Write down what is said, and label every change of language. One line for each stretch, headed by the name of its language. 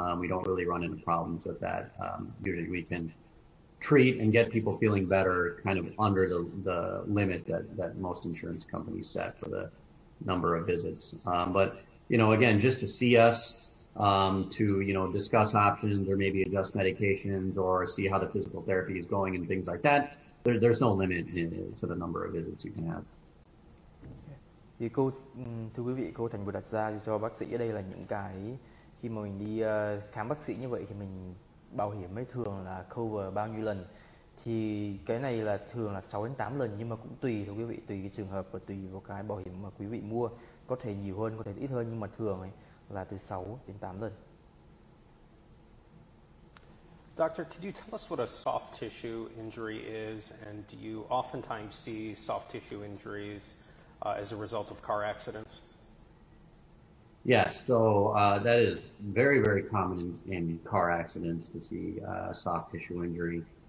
English: We don't really run into problems with that. Usually we can treat and get people feeling better kind of under the limit that most insurance companies set for the number of visits. Again, just to see us, to discuss options or maybe adjust medications or see how the physical therapy is going and things like that, there's no limit to the number of visits you can have.
Vietnamese: Thì cô, thưa quý vị, cô Thành vừa đặt ra cho bác sĩ ở đây là những cái khi mà mình đi khám bác sĩ như vậy thì mình bảo hiểm mới thường là cover bao nhiêu lần. Thì cái này là thường là 6 đến 8 lần, nhưng mà cũng tùy thưa quý vị, tùy cái trường hợp và tùy vào cái bảo hiểm mà quý vị mua, có thể nhiều hơn, có thể ít hơn, nhưng mà thường ấy là từ 6 đến 8 lần.
English: Doctor, could you tell us what a soft tissue injury is, and do you oftentimes see soft tissue injuries as a result of car accidents? Yes, so that is very, very common in car accidents to see soft tissue injury.